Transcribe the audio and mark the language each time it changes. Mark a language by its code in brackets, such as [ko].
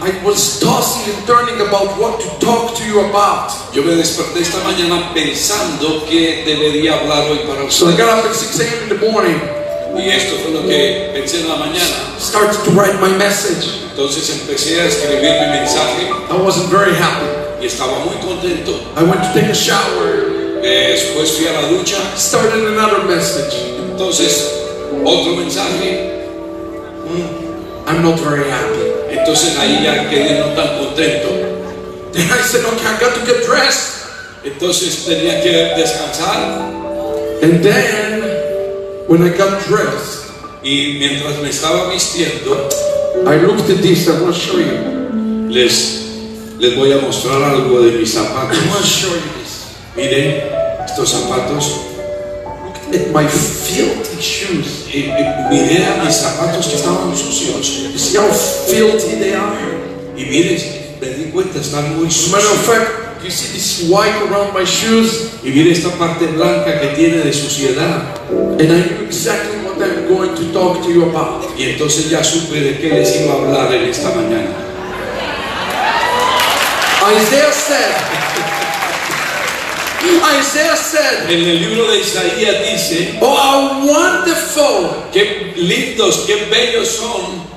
[en] I was tossing and turning about what to talk to you about. [es] Yo me desperté esta mañana pensando que debería hablar hoy para usted. [en] So I got up at 6 a.m. in the morning. [es] Y esto fue lo que pensé en la mañana. [en] Started to write my message. [es] Entonces empecé a escribir mi mensaje. [en] I wasn't very happy. [es] Y estaba muy contento. [en] I went to take a shower. [es] Después fui a la ducha. [en] Started another message. [es] Entonces, otro mensaje. [en] I'm not very happy. [es] Entonces ahí ya quedé no tan contento. [en] Then I said, okay, I got to get dressed. [es] Entonces tenía que descansar. [en] And then, when I got dressed, [es] y mientras me estaba vistiendo, [en] I looked at this. I want to show you. [es] Les voy a mostrar algo de mis zapatos. [en] I want to show you this. [es] Miren estos zapatos. [en] Look at my filthy shoes. [es] Miren a mis zapatos que estaban sucios. [en] See how filthy they are. [es] Y miren, me di cuenta, están muy sucios. [en] Matter of fact, you see this white around my shoes. [es] Y miren esta parte blanca que tiene de suciedad. [en] And I knew exactly what I'm going to talk to you about. [es] Y entonces ya supe de qué les iba a hablar en esta mañana. [en] Isaiah said. Isaiah said. [es] En el libro de Isaías dice. [en] Oh, how wonderful! [es] Qué lindos, qué bellos son.